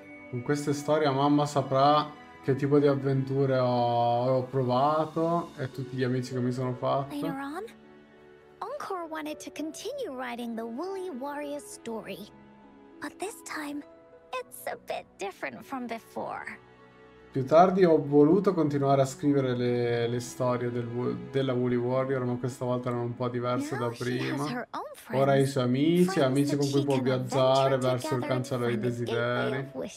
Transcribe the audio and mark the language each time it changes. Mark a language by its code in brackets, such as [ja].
[it] Con queste storie mamma saprà che tipo di avventure ho provato e tutti gli amici che mi sono fatto. [en] Later on, Encore wanted to continue writing the Woolly Warrior story. But this time, it's a bit different from before. [it] Più tardi ho voluto continuare a scrivere le storie della Woolly Warrior, ma questa volta erano un po' diverse da prima. Ora i suoi amici, amici con cui può viaggiare verso il cancello dei desideri.